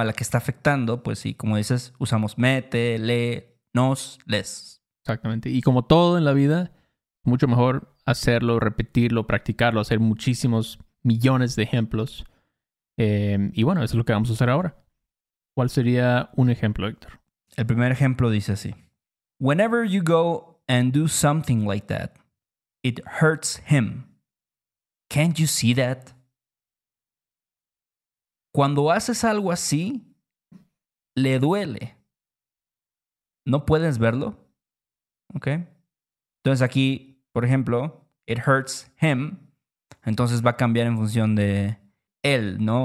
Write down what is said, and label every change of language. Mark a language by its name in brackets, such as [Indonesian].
[Spanish] A la que está afectando, pues sí, como dices, usamos mete, le, nos, les. Exactamente. Y como todo en la vida, mucho mejor hacerlo, repetirlo, practicarlo, hacer muchísimos millones de ejemplos. Y bueno, eso es lo que vamos a hacer ahora. ¿Cuál sería un ejemplo, Héctor? El primer ejemplo dice así. [English] Whenever you go and do something like that, it hurts him. Can't you see that? [Spanish] Cuando haces algo así, le duele. ¿No puedes verlo? ¿Ok? Entonces aquí, por ejemplo, [English] it hurts him. [Spanish] Entonces va a cambiar en función de él, ¿no?